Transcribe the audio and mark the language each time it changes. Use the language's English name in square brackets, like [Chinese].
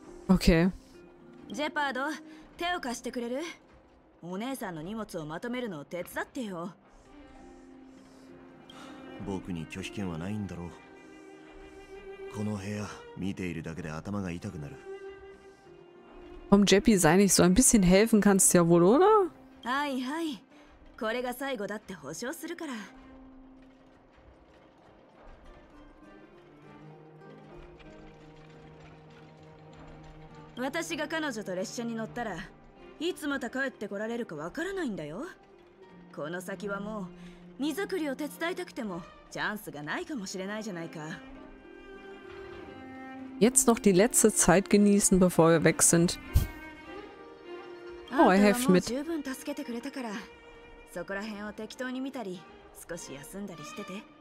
[English] Okay. [Japanese] ジェパード、手を貸してくれる？お姉さんの荷物をまとめるのを手伝ってよ。僕に拒否権はないんだろう。この部屋、見ているだけで頭が痛くなる。 [German] Um Jeppy sei nicht so ein bisschen helfen kannst ja wohl, oder? [Japanese] はいはい。これが最後だって保証するから。私が彼女と列車に乗ったら、いつまた帰ってこられるかわからないんだよ。この先はもう、荷造りを手伝いたくても、チャンスがないかもしれないじゃないか。 [German] Jetzt noch die letzte Zeit genießen, bevor wir weg sind. Oh, er hilft mit. [Japanese] 十分助けてくれたから、そこら辺を適当に見たり、少し休んだりしてて。